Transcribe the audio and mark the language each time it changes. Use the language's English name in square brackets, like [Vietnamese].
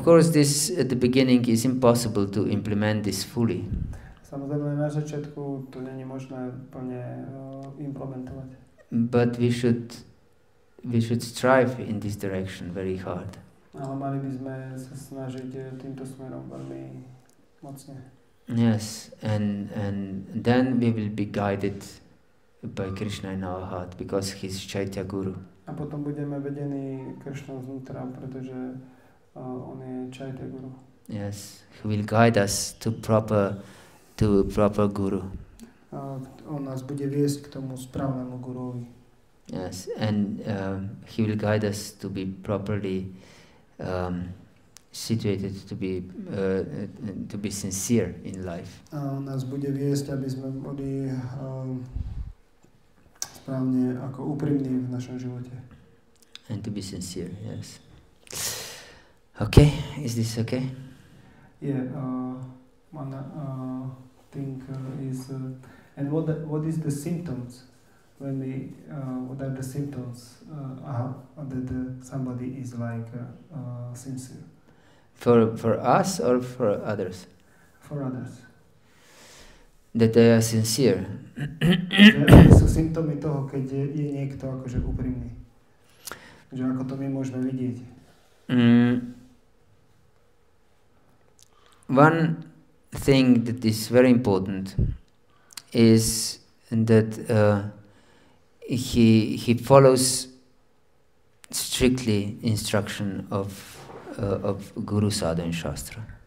[English] Of course, this at the beginning is impossible to implement this fully. [Slovak] Samozrejme, na začiatku to není možné plne implementovať. [English] But we should strive in this direction very hard. [Slovak] Ale mali by sme sa snažiť týmto smerom veľmi mocne. [English] Yes, and then we will be guided by Krishna in our heart because he is Chaitya Guru. [Slovak] A potom budeme vedení Krishnou vnútra, pretože on je Chaitya Guru. [English] Yes, he will guide us to proper Guru. [Slovak] On nás bude viesť k tomu správnemu Guruovi. [English] Yes, and he will guide us to be properly situated, to be sincere in life. [Slovak] A on nás bude viesť, aby sme boli správne ako úprimní v našom živote. [English] And to be sincere, yes. Okay, is this okay? Yeah, one thing is, and what is the symptoms when we, what are the symptoms that somebody is like sincere? For us or for others? For others. That they are sincere. [Slovak] Sú symptómy toho, keď je niekto akože úprimný. Že ako to my môžeme vidieť. [English] One thing that is very important is that he follows strictly instruction of Guru Sadhan Shastra.